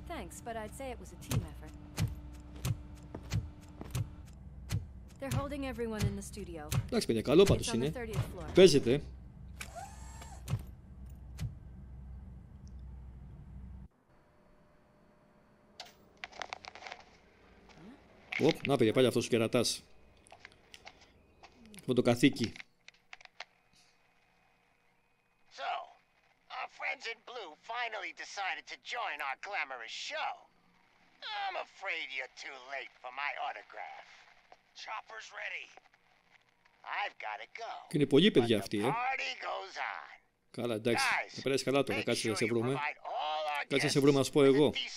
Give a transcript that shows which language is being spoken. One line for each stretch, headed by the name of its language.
English: Thanks, but I'd say it was a team effort. They're holding everyone in the studio.
Greek: Εντάξει παιδιά, καλό πάντως είναι. Παίζεται. Οπ, να παιδιά, πάλι αυτός ο κερατάς. Με το καθήκη.
English: So, our friends in blue finally decided to join our glamorous show. I'm afraid you're too late for my autograph. Chopper's ready. I've got to go.
Greek: Και είναι πολύ παιδιά αυτή, ε.
English: Party goes on.
Greek: Καλά, εντάξει. Θα περάσει καλά τώρα, κάτσε να σε βρούμε. Κάτσε να σε βρούμε, ας πω εγώ.